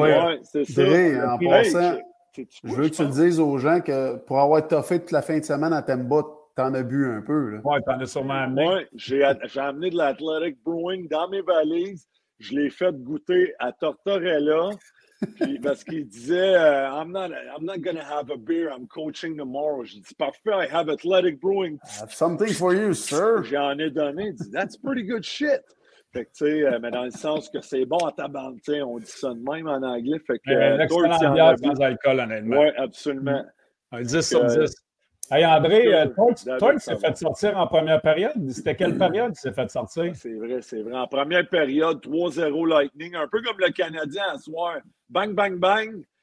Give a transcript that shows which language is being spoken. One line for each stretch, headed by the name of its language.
French: Oui, c'est ça. Vrai, en passant, je veux que tu le dises aux gens que pour avoir toffé toute la fin de semaine à Temba, t'en as bu un peu. Oui, t'en as sûrement amené. Oui, j'ai amené de l'Athletic Brewing dans mes valises. Je l'ai fait goûter à Tortorella. Puis parce qu'il disait,
English: I'm not going to have a beer, I'm coaching tomorrow.
French: Je dis, parfait,
English: I have Athletic Brewing. I have something for you, sir.
French: J'en ai donné. Il dit,
English: that's pretty good shit.
French: Fait que, tu sais, mais dans le sens que c'est bon à ta bande, tu sais, on dit ça de même en anglais. Fait que, excellent bière sans alcool, honnêtement. Oui, absolument. Un 10 sur 10. Hey, André, toi, tu t'es fait sortir en première période. C'était quelle période tu t'es fait sortir? C'est vrai. En première période, 3-0 Lightning, un peu comme le Canadien à soir. Bang, bang, bang.